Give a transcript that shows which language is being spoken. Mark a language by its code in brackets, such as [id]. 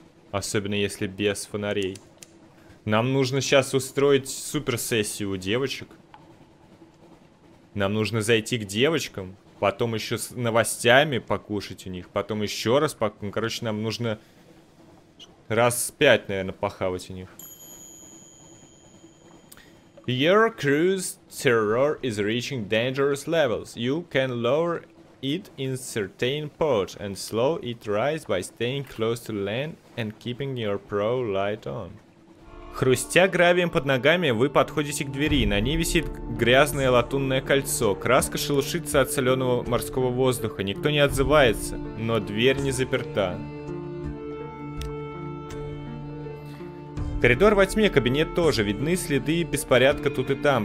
[ru] Особенно если без фонарей. Нам нужно сейчас устроить суперсессию у девочек. Нам нужно зайти к девочкам, потом еще с новостями покушать у них, потом еще раз покушать. Короче, нам нужно раз 5, наверное, похавать у них. [en] Your cruise terror is reaching dangerous levels. You can lower it in certain ports and slow it rise by staying close to land and keeping your prow light on. [ru] Хрустя гравием под ногами, вы подходите к двери. На ней висит грязное латунное кольцо. Краска шелушится от соленого морского воздуха. Никто не отзывается, но дверь не заперта. Коридор во тьме, кабинет тоже. Видны следы беспорядка тут и там.